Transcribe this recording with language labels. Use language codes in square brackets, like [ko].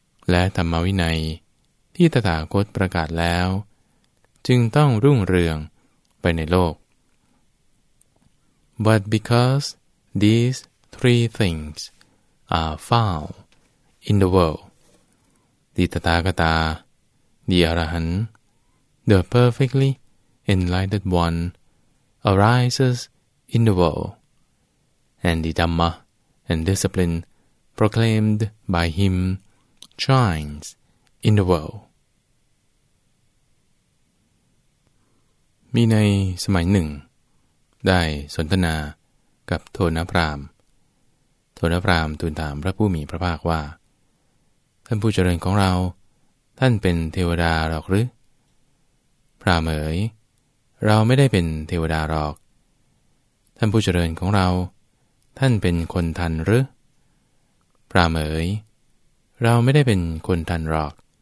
[th] และธรรมวินัยที่ตถาคตประกาศแล้วจึงต้องรุ่งเรืองไปในโลก [en] But because these three things are found in the worldThe Tathagata, the Arahant, the perfectly enlightened one, arises in the world, and the Dhamma and discipline proclaimed by him shines in the world. [th] มีในสมัยหนึ่งได้สนทนากับโทนพราหมณ์โทนพราหมณ์ทูลถามพระผู้มีพระภาคว่าท่านผู้เจริญของเราท่านเป็นเทวดาหรอกหรือพราหมณ์เอ๋ยเราไม่ได้เป็นเทวดาหรอกท่านผู้เจริญของเราท่านเป็นคนทันหรือพราหมณ์เอ๋ยเราไม่ได้เป็นคนทันหรอก